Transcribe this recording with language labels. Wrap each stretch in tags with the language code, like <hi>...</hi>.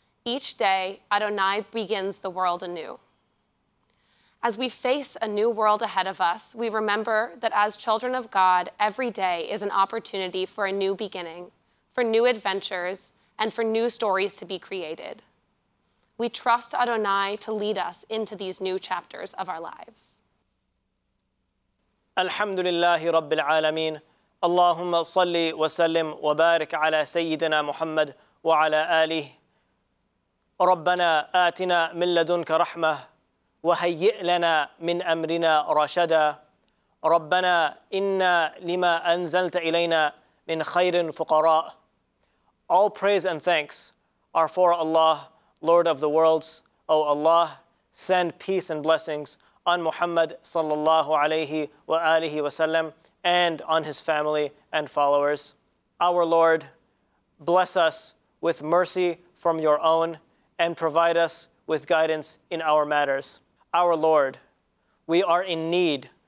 <en>Each day, Adonai begins the world anew. As we face a new world ahead of us, we remember that as children of God, every day is an opportunity for a new beginning, for new adventures, and for new stories to be created. We trust Adonai to lead us into these new chapters of our lives.</en> <ar>Alhamdulillahi Rabbil Alameen. اللهم صل وسلم وبارك على سيدنا محمد وعلى آله. ربنا آتنا من لدنك رحمة وهيئ لنا من أمرنا رشدا. ربنا إنا لما أنزلت إلينا من خير فقراء.</ar> <en>All praise and thanks are for Allah, Lord of the worlds. O Allah, send peace and blessings on Muhammad</en> <ar>صلى الله عليه وآله وسلم</ar> <en>and on his family and followers. Our Lord, bless us with mercy from your own and provide us with guidance in our matters. Our Lord, we are in need</en>